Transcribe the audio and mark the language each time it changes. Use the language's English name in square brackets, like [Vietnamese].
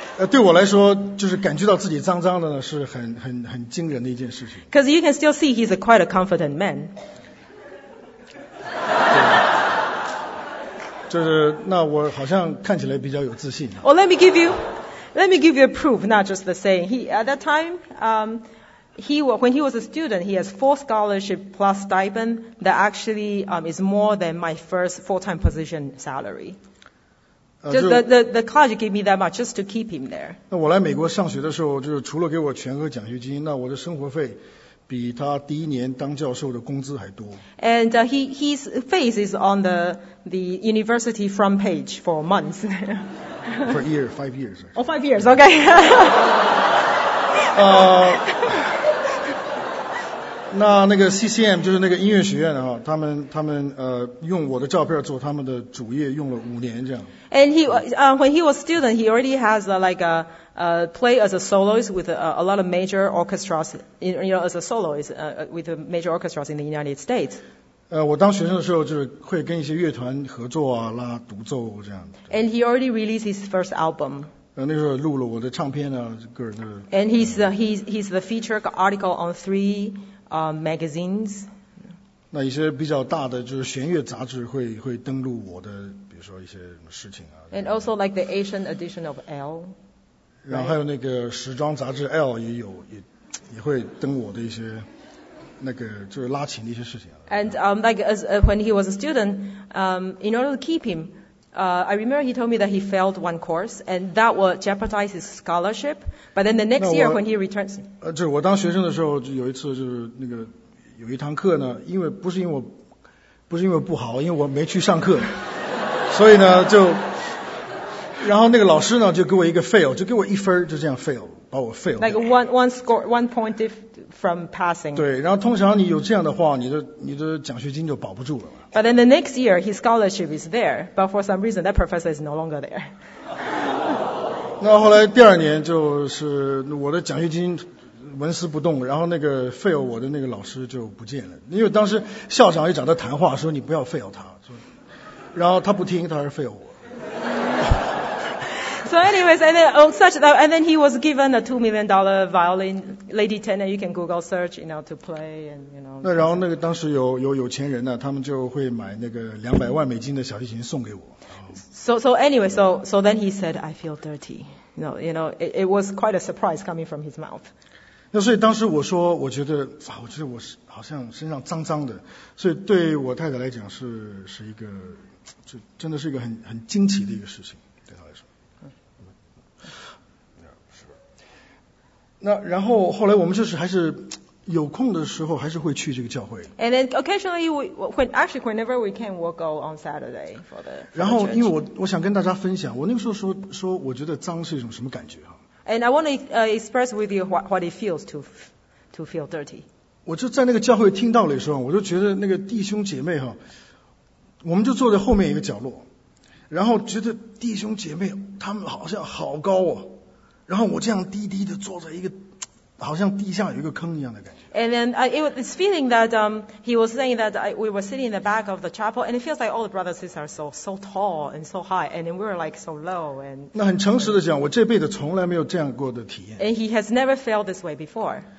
[Chinese] 对我来说，就是感觉到自己脏脏的呢，是很惊人的一件事情。 [English] Because you can still see he's a quite a confident man. [Chinese] 对，就是那我好像看起来比较有自信。 [English] Well, let me give you a proof, not just the saying. He at that time, when he was a student, he has 4 scholarship plus stipend that actually is more than my first full-time position salary. Just the college gave me that much just to keep him there. [Chinese] 那我来美国上学的时候，就是除了给我全额奖学金，那我的生活费比他第一年当教授的工资还多。 [English] And his face is on the university front page for months. For year, 5 years. Oh, 5 years, okay. [Chinese] 那个 CCM 就是那个音乐学院啊，他们用我的照片做他们的主页用了5年这样。 [English] And he when he was student, he already has play as a soloist with a lot of major orchestras, as a soloist with major orchestras in the United States. [Chinese] 我当学生的时候就是会跟一些乐团合作啊，拉独奏这样。 [English] And he already released his first album. [Chinese] 那时候录了我的唱片啊，个人的。 [English] And he's the featured article on 3 magazines. [Chinese] 那一些比较大的就是弦乐杂志会登录我的。比如说一些什么事情啊 [English] ，and also like the Asian edition of L， [Chinese] 然后还有那个时装杂志 L 也有也会登我的一些那个就是拉琴的一些事情、啊。 [English] And when he was a student, in order to keep him, I remember he told me that he failed one course and that would jeopardize his scholarship. But then the next year when he returns, [Chinese] 就是我当学生的时候，有一次就是那个有一堂课呢，因为不好，因为我没去上课。所以呢，就，然后那个老师呢，就给我一个 fail， 就给我一分，就这样 fail， 把我 fail。 [English] Like one score, one point from passing. [Chinese] 对，然后通常你有这样的话，你的奖学金就保不住了。 [English] But then the next year, his scholarship is there, but for some reason, that professor is no longer there. [Chinese] 那后来第二年就是我的奖学金纹丝不动，然后那个 fail 我的那个老师就不见了，因为当时校长也找他谈话，说你不要 fail 他。然后他不听，他还是 fail 我。 [English] So anyways, and then oh such, and then he was given a $2 million violin, Lady Tenor. You can Google search, you know, to play and you know. [Chinese] 那然后那个当时有钱人呢，他们就会买那个$200,000的小提琴送给我。 [English] So then he said, I feel dirty. You know, it was quite a surprise coming from his mouth. [Chinese] 那所以当时我说，我觉得啊，我觉得我好像身上脏脏的，所以对我太太来讲是一个。这真的是一个很惊奇的一个事情，对他来说。那然后后来我们就是还是有空的时候还是会去这个教会。 [English] And then occasionally whenever we can, we'll go on Saturday for the. [Chinese] 然后因为我想跟大家分享，我那个时候说我觉得脏是一种什么感觉哈。 [English] And I want to express with you what it feels to feel dirty. [Chinese] 我就在那个教会听到的时候，我就觉得那个弟兄姐妹哈。我们就坐在后面一个角落，然后觉得弟兄姐妹他们好像好高哦，然后我这样低低的坐在一个好像地下有一个坑一样的感觉。 [English] And then it was this feeling that he was saying that we were sitting in the back of the chapel and it feels like all the brothers and sisters are so tall and so high and then we were like so low and. [Chinese] 那很诚实的讲，我这辈子从来没有这样过的体验。 [English] And he has never felt this way before.